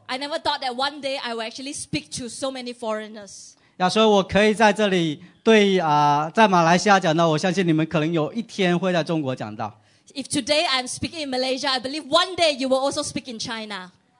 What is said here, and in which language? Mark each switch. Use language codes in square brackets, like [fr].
[en] I never thought that one day I would actually speak to so many foreigners. [zh] Yeah, 所以我可以在这里对在马来西亚讲道，我相信你们可能有一天会在中国讲道。 [en] If today I'm speaking in Malaysia, I believe one day you will also speak in China.